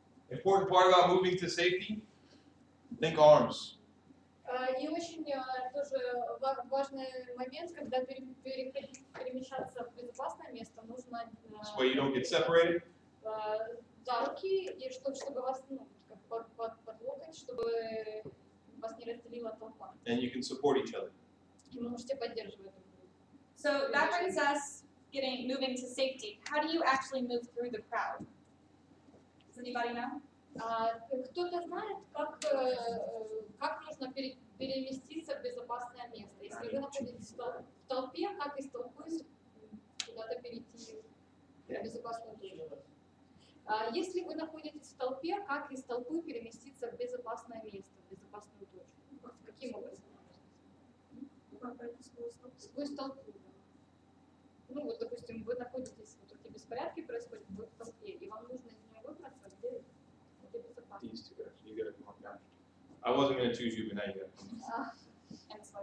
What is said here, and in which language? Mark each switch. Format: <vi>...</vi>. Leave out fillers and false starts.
<en>Important part about moving to safety, think arms.</en> <ru>И очень тоже важный момент, когда перемещаться в безопасное место, нужно за руки, и чтобы вас под локоть, чтобы вас не разделила толпа.</ru> <en>And you can support each other.</en> <ru>И вы можете поддерживать друг друга.</ru> <en>So that brings us moving to safety. How do you actually move through the crowd? Does anybody know?</en> <ru>Кто-то знает, как нужно переместиться в безопасное место. Если вы находитесь в толпе, как из толпы куда-то перейти в безопасное место? Если вы находитесь в толпе, как из толпы переместиться в безопасное место, в безопасную точку? Каким образом? Сквозь толпу. Ну вот, допустим, вы находитесь, вот такие беспорядки происходят, вы в толпе, и вам нужно из нее выбраться, где?</ru> <en>These two guys, you gotta come on down. I wasn't gonna choose you, but now you gotta come on.</en>